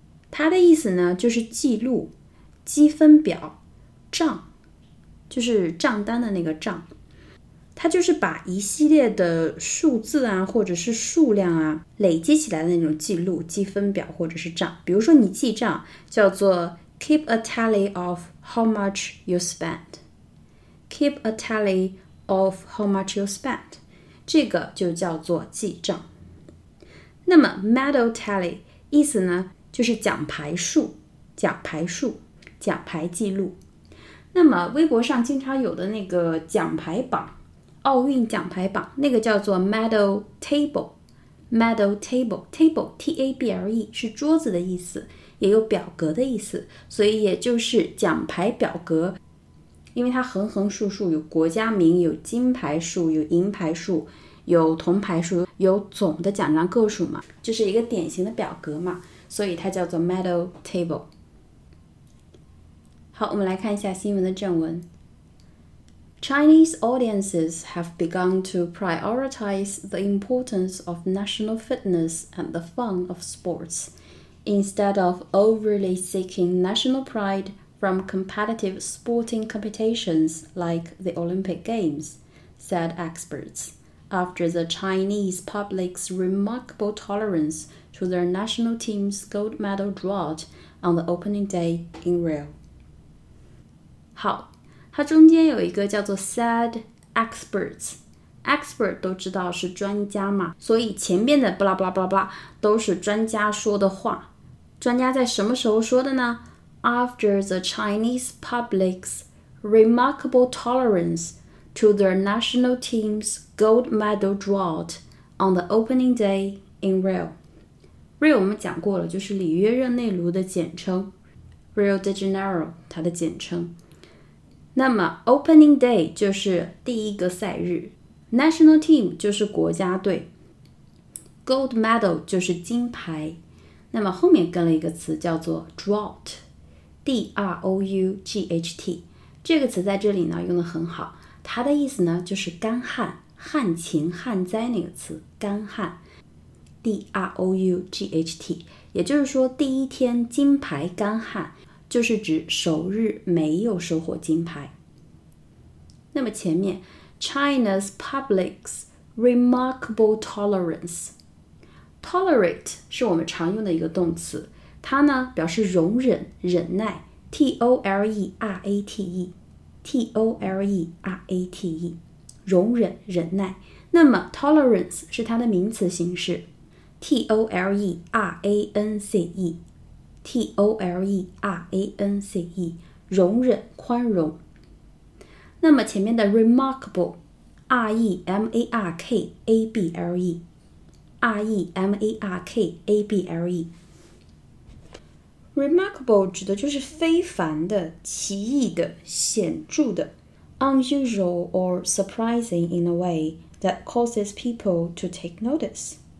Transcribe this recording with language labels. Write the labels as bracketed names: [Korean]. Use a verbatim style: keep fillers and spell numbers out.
[Chinese] 它的意思呢就是记录、积分表、账，就是账单的那个账。它就是把一系列的数字啊或者是数量啊累积起来的那种记录、积分表或者是账。比如说你记账叫做 [English] keep a tally of how much you spent。 keep a tally of how much you spent， [Chinese] 这个就叫做记账。那么 medal tally 意思呢就是奖牌数、奖牌数、奖牌记录。那么微博上经常有的那个奖牌榜，奥运奖牌榜，那个叫做 medal table。medal table，table t a b l e 是桌子的意思，也有表格的意思，所以也就是奖牌表格，因为它横横竖竖有国家名，有金牌数，有银牌数，有铜牌数，有总的奖章个数嘛，就是一个典型的表格嘛，所以它叫做 medal table。好，我们来看一下新闻的正文。 [English] Chinese audiences have begun to prioritize the importance of national fitness and the fun of sports, instead of overly seeking national pride from competitive sporting competitions like the Olympic Games, said experts, after the Chinese public's remarkable tolerance to their national team's gold medal drought on the opening day in Rio. [Chinese] 好，它中间有一个叫做 [English] said experts， [Chinese] expert 都知道是专家嘛，所以前面的 blah blah blah blah 都是专家说的话。专家在什么时候说的呢？ [English] After the Chinese public's remarkable tolerance to their national team's gold medal drought on the opening day in Rio. [Chinese] Rio 我们讲过了，就是里约热内卢的简称， Rio de Janeiro 它的简称。那么 opening day 就是第一个赛日， national team 就是国家队， gold medal 就是金牌，那么后面跟了一个词叫做 drought， D R O U G H T， 这个词在这里呢用得很好，它的意思呢就是干旱，旱情旱灾那个词，干旱 D R O U G H T， 也就是说第一天金牌干旱就是指首日没有收获金牌。那么前面 [English] China's public's remarkable tolerance， [Chinese] tolerate 是我们常用的一个动词，它呢表示容忍忍耐， T O L E R A T E， T O L E R A T E， 容忍忍耐。那么 tolerance 是它的名词形式， T O L E R A N C E，T O L E R A N C E， 容忍宽容。那么前面的 [English] remarkable， R E M A R K A B L E， R E M A R K A B L E， remarkable [Chinese] 指的就是非凡的，奇异的，显著的， [English] unusual or surprising in a way that causes people to take notice，